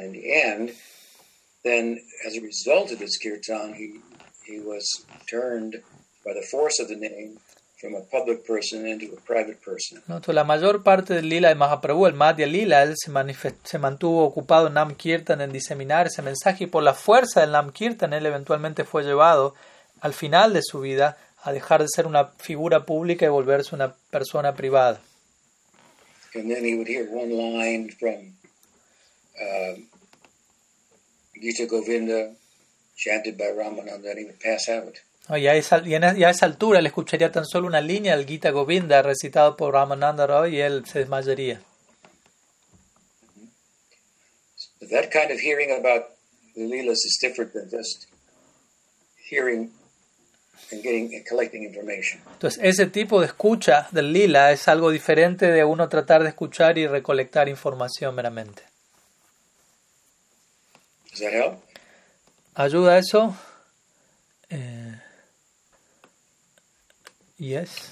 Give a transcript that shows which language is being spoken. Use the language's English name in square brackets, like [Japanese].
[English] In the end, then, as a result of this kirtan, he was turned by the force of the name from a public person into a private person. [Spanish] No, la mayor parte del lila de Mahaprabhu, el Madhya lila, él se mantuvo ocupado en Nam Kirtan en diseminar ese mensaje, y por la fuerza del Nam Kirtan, él eventualmente fue llevado al final de su vida a dejar de ser una figura pública y volverse una persona privada. [English] And then he would hear one line from Gita Govinda, chanted by Ramananda, and he would pass out. [Spanish] Oh, y a esa altura, él escucharía tan solo una línea del Gita Govinda recitado por Ramananda Rao y él se desmayaría. [English] Mm-hmm. So that kind of hearing about the lilas is different than just hearing and getting and collecting information. [Spanish] Entonces, ese tipo de escucha del lila es algo diferente de uno tratar de escuchar y recolectar información meramente. [English] Does that help? [Spanish] ¿Ayuda eso? [English] Yes.